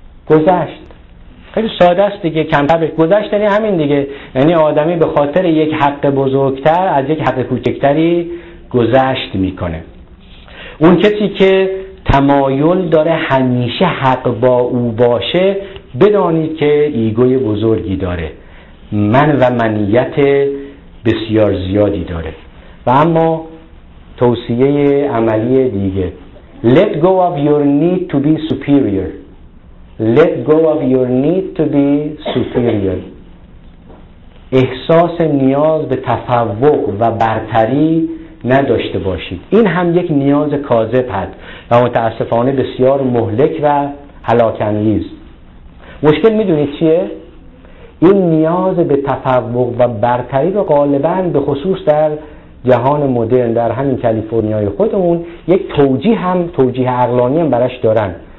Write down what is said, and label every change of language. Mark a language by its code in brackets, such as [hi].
[fa] گذشت خیلی ساده است دیگه، کمتر به گذشت، یعنی همین دیگه، یعنی آدمی به خاطر یک حق بزرگتر از یک حق کوچکتری گذشت میکنه. اون کسی که تمایل داره همیشه حق با او باشه، بدانید که ایگوی بزرگی داره، من و منیت بسیار زیادی داره. و اما توصیه عملی دیگه، [en] Let go of your need to be superior. Let go of your need to be superior. [fa] احساس نیاز به تفوق و برتری نداشته باشید. این هم یک نیاز کاذب هست و متاسفانه بسیار مهلک و هلاک‌انگیز. مشکل میدونید چیه؟ این نیاز به تفوق و برتری رو غالباً به خصوص در جهان مدرن، در همین کالیفرنیای خودمون، یک توجیه هم، توجیه عقلانی هم براش دارن.